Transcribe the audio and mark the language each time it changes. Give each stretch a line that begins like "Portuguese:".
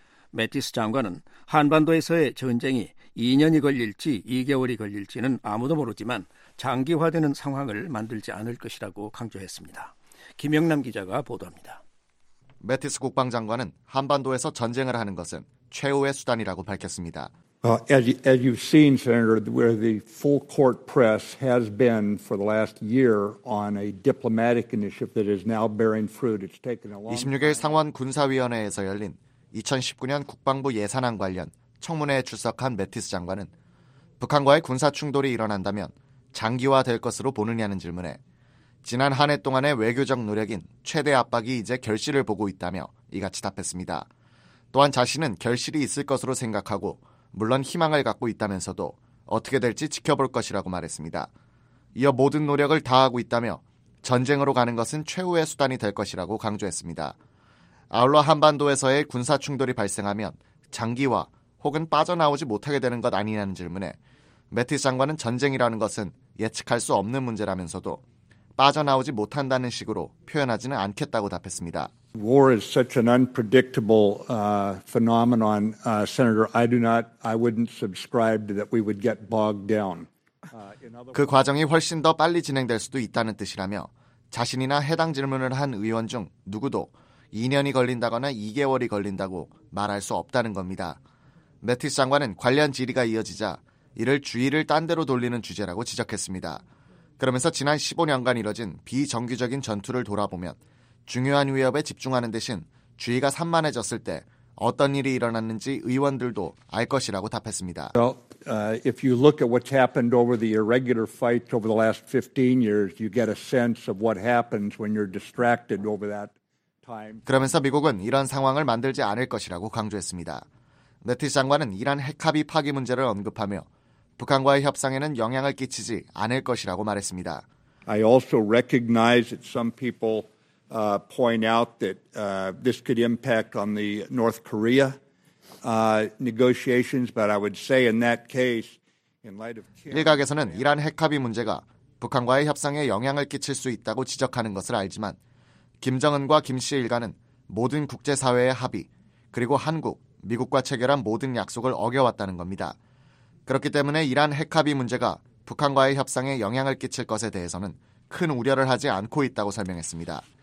Korean: 매티스 장관은 한반도에서의 전쟁이 2년이 걸릴지 2개월이 걸릴지는 아무도 모르지만 장기화되는 상황을 만들지 않을 것이라고 강조했습니다. 김영남 기자가 보도합니다. 매티스 국방장관은 한반도에서 전쟁을 하는 것은 최후의 수단이라고 밝혔습니다.
English: As you've seen, Senator, where the full court press has been for the last year on a diplomatic initiative that is now bearing fruit. It's taken a long time.
Korean: 26일 상원 군사위원회에서 열린 2019년 국방부 예산안 관련 청문회에 출석한 매티스 장관은 북한과의 군사 충돌이 일어난다면 장기화될 것으로 보느냐는 질문에 지난 한 해 동안의 외교적 노력인 최대 압박이 이제 결실을 보고 있다며 이같이 답했습니다. 또한 자신은 결실이 있을 것으로 생각하고 물론 희망을 갖고 있다면서도 어떻게 될지 지켜볼 것이라고 말했습니다. 이어 모든 노력을 다하고 있다며 전쟁으로 가는 것은 최후의 수단이 될 것이라고 강조했습니다. 아울러 한반도에서의 군사 충돌이 발생하면 장기화 혹은 빠져나오지 못하게 되는 것 아니냐는 질문에 매티스 장관은 전쟁이라는 것은 예측할 수 없는 문제라면서도 빠져나오지 못한다는 식으로 표현하지는 않겠다고 답했습니다.
English: War is such an unpredictable phenomenon, Senator. I wouldn't subscribe to that we would get bogged down.
Korean: 그 과정이 훨씬 더 빨리 진행될 수도 있다는 뜻이라며 자신이나 해당 질문을 한 의원 중 누구도 2년이 걸린다거나 2개월이 걸린다고 말할 수 없다는 겁니다. 매티스 장관은 관련 질의가 이어지자 이를 주의를 딴 데로 돌리는 주제라고 지적했습니다. 그러면서 지난 15년간 이뤄진 비정규적인 전투를 돌아보면 중요한 위협에 집중하는 대신 주의가 산만해졌을 때 어떤 일이 일어났는지 의원들도 알 것이라고 답했습니다.
English: Well, if you look at what's happened over the irregular fights over the last 15 years, you get a sense of what happens when you're distracted over that time.
Korean: 그러면서 미국은 이런 상황을 만들지 않을 것이라고 강조했습니다. 매티스 장관은 이란 핵합의 파기 문제를 언급하며 북한과의 협상에는 영향을 끼치지 않을 것이라고 말했습니다.
English: I also recognize that some people point out that this could impact on the North Korea negotiations, but I would say in that case, in light of
Korean: 일각에서는 이란 핵합의 문제가 북한과의 협상에 영향을 끼칠 수 있다고 지적하는 것을 알지만 김정은과 김 씨 일가는 모든 국제 사회의 합의 그리고 한국, 미국과 체결한 모든 약속을 어겨왔다는 겁니다. 그렇기 때문에 이란 핵합의 문제가 북한과의 협상에 영향을 끼칠 것에 대해서는 큰 우려를 하지 않고 있다고 설명했습니다.